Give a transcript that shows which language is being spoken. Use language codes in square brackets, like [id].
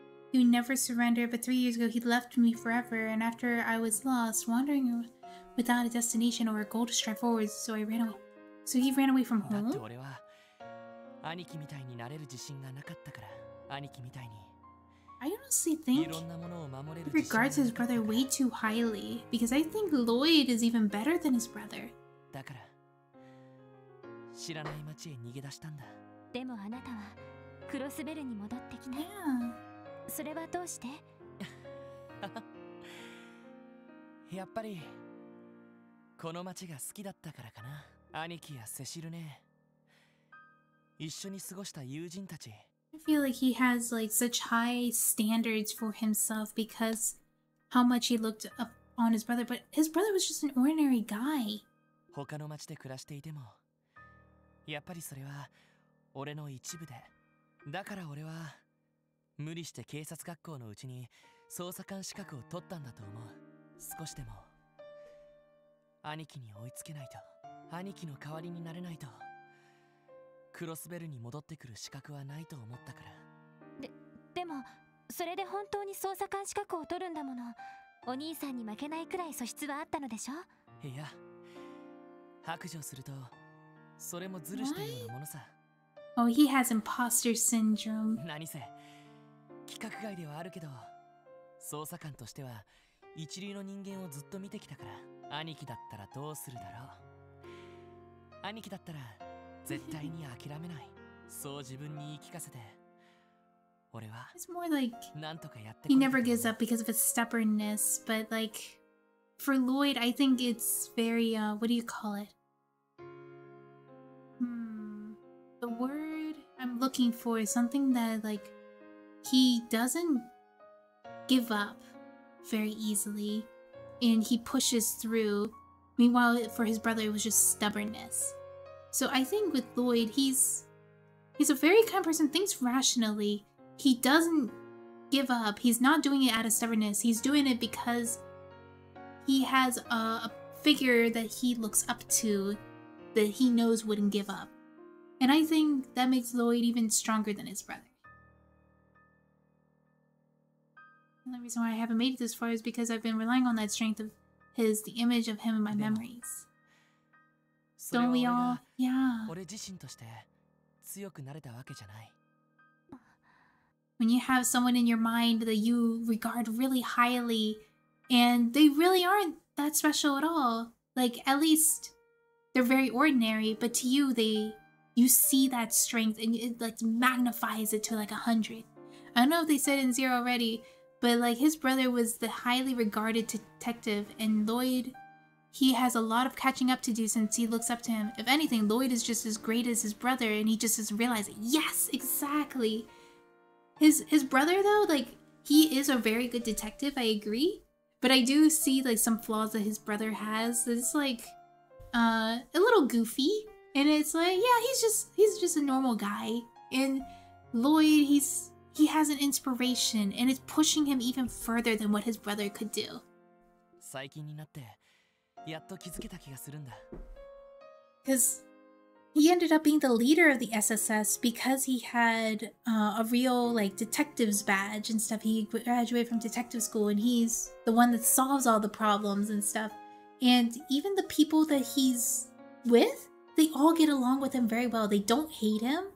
[en] He never surrendered, but 3 years ago he left me forever, and after I was lost, wandering without a destination or a goal to strive forward, so he ran away from home? [ja] だって俺は兄貴みたいになれる自信がなかったから、兄貴みたいに。 [en] I honestly think he regards his brother way too highly, because I think Lloyd is even better than his brother. [ja] だから知らない町へ逃げ出したんだ。でもあなたはクロスベルに戻ってきた。 [en] Yeah. [ja] それはどうして？やっぱりこの町が好きだったからかな。兄貴やセシルね、一緒に過ごした友人たち。 [en] I feel like he has like such high standards for himself because how much he looked up on his brother, but his brother was just an ordinary guy. [ja] 他の町で暮らしていてもやっぱりそれは俺の一部で、だから俺は無理して警察学校のうちに捜査官資格を取ったんだと思う。少しでも兄貴に追いつけないと、兄貴の代わりになれないと、クロスベルに戻ってくる資格はないと思ったから。でもそれで本当に捜査官資格を取るんだもの、お兄さんに負けないくらい素質はあったのでしょ。いや、白状するとそれもずるしているようなものさ。 [en] Oh, he has imposter syndrome. [ja] 何せ企画外ではあるけど、捜査官としては一流の人間をずっと見てきたから、兄貴だったらどうするだろう。兄貴だったら絶対に諦めない。そう自分に言い聞かせて、俺は。 [en] It's more like [ja] なんとかやって。 [en] He never gives up because of his stubbornness, but like for Lloyd, I think it's very what do you call it? The word I'm looking for is something that, like, he doesn't give up very easily and he pushes through. Meanwhile, for his brother, it was just stubbornness. So I think with Lloyd, he's a very kind person, thinks rationally. He doesn't give up. He's not doing it out of stubbornness. He's doing it because he has a figure that he looks up to that he knows wouldn't give up. And I think that makes Lloyd even stronger than his brother. And the reason why I haven't made it this far is because I've been relying on that strength of his, the image of him in my memories. Don't we all? Yeah. [ja] 俺自身として強くなれたわけじゃない。 [en] When you have someone in your mind that you regard really highly, and they really aren't that special at all, like at least they're very ordinary, but to you, they. You see that strength and it like magnifies it to like 100. I don't know if they said in zero already, but like his brother was the highly regarded detective, and Lloyd, he has a lot of catching up to do since he looks up to him. If anything, Lloyd is just as great as his brother, and he just doesn't realize it. Yes, exactly. His brother, though, like he is a very good detective, I agree, but I do see like some flaws that his brother has. It's like a little goofy. And it's like, yeah, he's just a normal guy. And Lloyd, he has an inspiration, and it's pushing him even further than what his brother could do. [ja] 最近になってやっと気づけた気がするんだ。 [en] Because he ended up being the leader of the SSS because he had a real like detective's badge and stuff. He graduated from detective school, and he's the one that solves all the problems and stuff. And even the people that he's with. They all get along with him very well. They don't hate him.